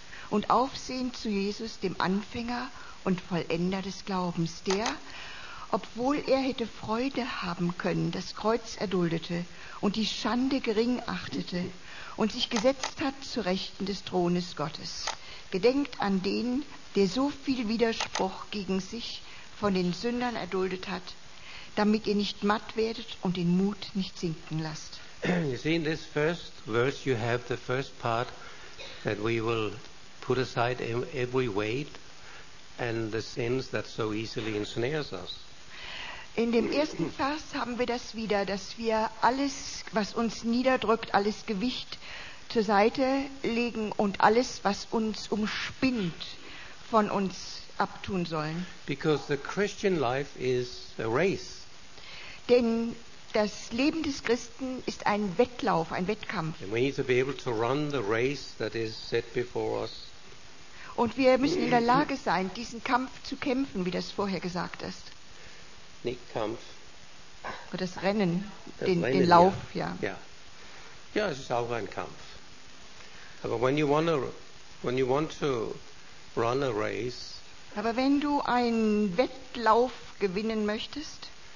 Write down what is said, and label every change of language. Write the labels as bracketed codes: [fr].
[de] Und aufsehen zu Jesus, dem Anfänger und Vollender des Glaubens, der, obwohl er hätte Freude haben können, das Kreuz erduldete und die Schande gering achtete und sich gesetzt hat zu Rechten des Thrones Gottes. Gedenkt an den, der so viel Widerspruch gegen sich von den Sündern erduldet hat, damit ihr nicht matt werdet und den Mut nicht sinken lasst. [en] You see, in this first verse you have the first part that we will put aside every weight and the sins that so easily ensnares us. [de] In dem ersten Vers haben wir das wieder, dass wir alles, was uns niederdrückt, alles Gewicht zur Seite legen und alles, was uns umspinnt, von uns abtun sollen. [en] Because the Christian life is a race. [de] Denn das Leben des Christen ist ein Wettlauf, ein Wettkampf. [en] And we need to be able to run the race that is set before us. [de] Und wir müssen in der Lage sein, diesen Kampf zu kämpfen, wie das vorher gesagt ist. Nicht Kampf. Das Rennen, den Lauf, ja. Ja. Ja, es ist auch ein Kampf. Aber [en] when you want to run a race, [de] aber wenn du einen Wettlauf gewinnen möchtest,